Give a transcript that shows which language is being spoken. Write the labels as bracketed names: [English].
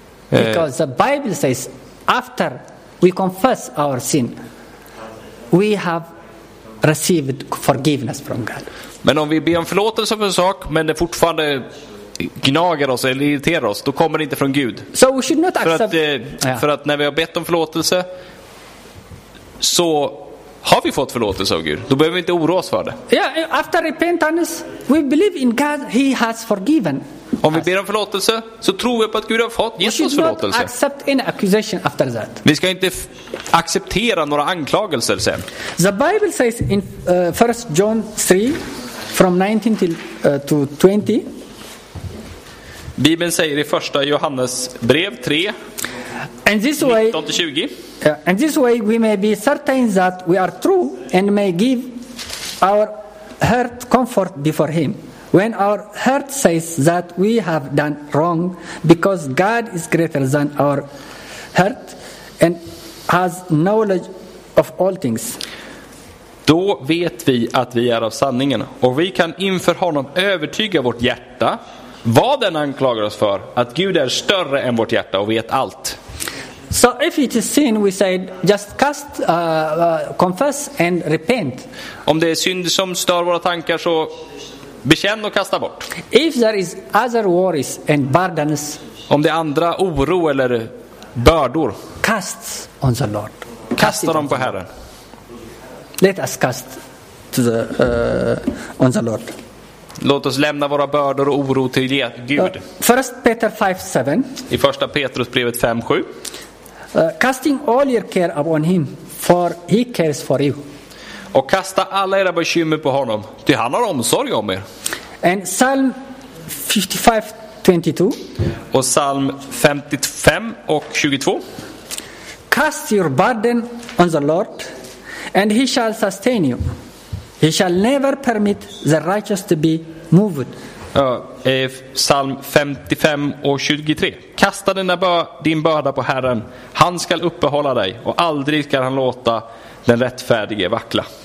[English] Because the Bible says after we confess our sin, we have received forgiveness from God. [Swedish] Men om vi ber om förlåtelse för en sak, men det fortfarande gnager oss eller irriterar oss, då kommer det inte från Gud. [English] So we should not accept. [Swedish] För att när vi har bett om förlåtelse, så har vi fått förlåtelse av Gud, då behöver vi inte oroa oss för det. [English] Yeah, after repentance, we believe in God, he has forgiven. [Swedish] Om vi ber om förlåtelse, så tror vi på att Gud har fått Jesus förlåtelse. [English] Accept any accusation after that. [Swedish] Vi ska inte acceptera några anklagelser sen. [English] The Bible says in 1 John 3 from 19 till to 20. [Swedish] Bibeln säger i första Johannes brev 3. [English] And this way 19-20. And this way we may be certain that we are true and may give our heart comfort before him. When our heart says that we have done wrong, because God is greater than our heart and has knowledge of all things. [Swedish] Då vet vi att vi är av sanningen, och vi kan inför honom övertyga vårt hjärta vad den anklagar oss för, att Gud är större än vårt hjärta och vet allt. [English] So if it is sin, we say just cast confess and repent. [Swedish] Om det är synd som stör våra tankar, så bekänn och kasta bort. [English] If there is other worries and burdens, [Swedish] om det är andra oro eller bördor, [English] cast on the Lord. [Swedish] Kasta dem på Herren. [English] Let us cast to the on the Lord. [Swedish] Låt oss lämna våra bördor och oro till Gud. [English] First Peter 5:7. [Swedish] I första Petrusbrevet 5:7. [English] Casting all your care upon him, for he cares for you. [Swedish] Och kasta alla era bekymmer på honom, ty han har omsorg om er. [English] And Psalm 55:22. [Swedish] Och Psalm 55 och 22. [English] Cast your burden on the Lord, and he shall sustain you. He shall never permit the righteous to be moved. [Swedish] Psalm 55 och 23. Kasta din börda på Herren, han skall uppehålla dig, och aldrig ska han låta den rättfärdige vackla.